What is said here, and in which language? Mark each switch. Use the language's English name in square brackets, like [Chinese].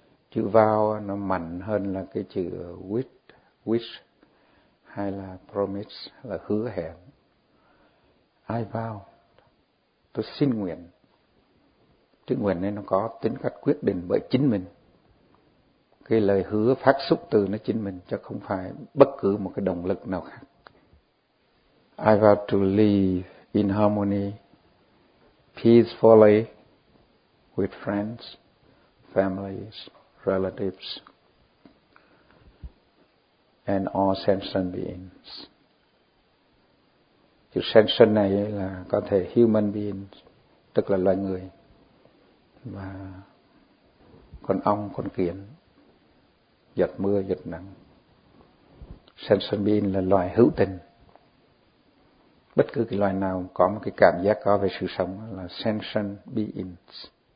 [Vietnamese] Chữ vow nó mạnh hơn là cái chữ wish hay là promise, là hứa hẹn. [English] I vow. [Vietnamese] Tôi xin nguyện. Chữ nguyện này nó có tính cách quyết định bởi chính mình. Cái lời hứa phát xuất từ nó chính mình, chứ không phải bất cứ một cái động lực nào khác. [English] I vow to live in harmony, peacefully, with friends, families, relatives, and all sentient beings. [Vietnamese] Chữ sentient này là có thể [English] human beings, [Vietnamese] tức là loài người, và con ong, con kiến, giọt mưa, giọt nắng. Sentient being là loài hữu tình. Bất cứ cái loài nào có một cái cảm giác có về sự sống là sentient beings.